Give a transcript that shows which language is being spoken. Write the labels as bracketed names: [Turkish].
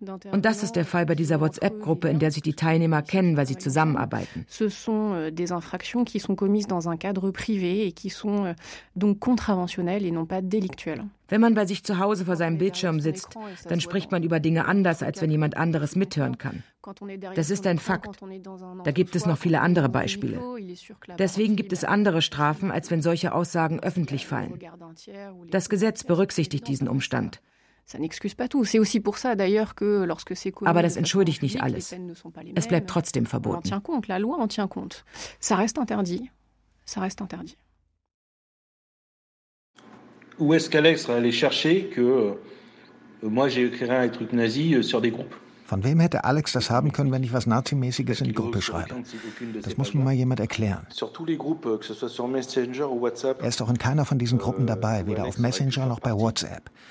[German] Und das ist der Fall bei dieser WhatsApp-Gruppe, in der sich die Teilnehmer kennen, weil sie zusammenarbeiten. [French] Ce sont des infractions qui sont commises dans un cadre privé et qui sont donc contraventionnelles et non pas délictuelles. [German] Wenn man bei sich zu Hause vor seinem Bildschirm sitzt, dann spricht man über Dinge anders, als wenn jemand anderes mithören kann. Das ist ein Fakt. Da gibt es noch viele andere Beispiele. Deswegen gibt es andere Strafen, als wenn solche Aussagen öffentlich fallen. Das Gesetz berücksichtigt diesen Umstand. Aber das entschuldigt nicht alles. Es bleibt trotzdem verboten. [French] Ça reste interdit. Ça reste interdit. Où est-ce qu'Alex serait allé chercher que moi j'ai écrit un truc nazi sur des groupes? [German] Von wem hätte Alex das haben können, wenn ich was Nazimäßiges in Gruppe schreibe? Das muss mir mal jemand erklären. Er ist doch in keiner von diesen Gruppen dabei, weder auf Messenger noch bei WhatsApp.